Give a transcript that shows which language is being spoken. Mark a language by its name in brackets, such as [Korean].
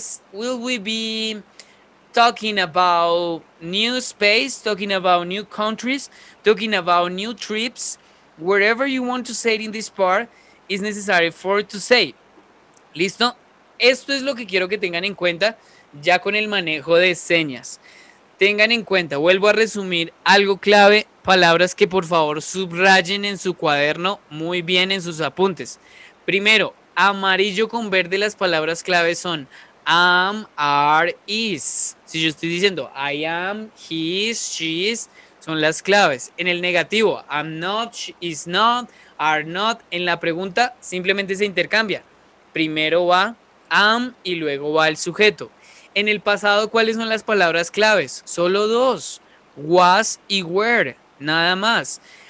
[English] Will we be talking about new space, talking about new countries, talking about new trips? Whatever you want to say in this part is necessary for to say. [Spanish] ¿Listo? Esto es lo que quiero que tengan en cuenta ya con el manejo de señas. Tengan en cuenta, vuelvo a resumir algo clave, palabras que por favor subrayen en su cuaderno muy bien en sus apuntes. Primero, amarillo con verde, las palabras clave son am, are, is. Si yo estoy diciendo [English] I am, he is, she is, [Spanish] son las claves. En el negativo, [English] am not, she is not, are not. [Spanish] En la pregunta, simplemente se intercambia. Primero va am y luego va el sujeto. En el pasado, ¿cuáles son las palabras claves? Solo dos, was y were, nada más.